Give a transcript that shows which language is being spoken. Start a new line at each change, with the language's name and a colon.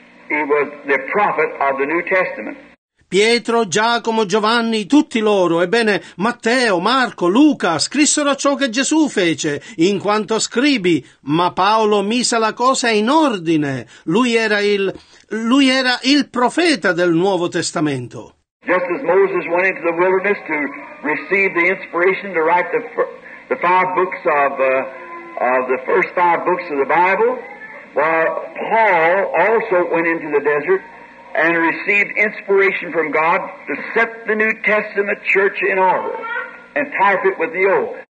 English: He was the prophet of the New Testament.
Italian: Pietro, Giacomo, Giovanni, tutti loro, ebbene, Matteo, Marco, Luca, scrissero ciò che Gesù fece, in quanto scribi, ma Paolo mise la cosa in ordine. Lui era il profeta del Nuovo Testamento.
English: Just as Moses went into the wilderness to receive the inspiration to write the five books of the first five books of the Bible, while Paul also went into the desert and received inspiration from God to set the New Testament church in order and type it with the old.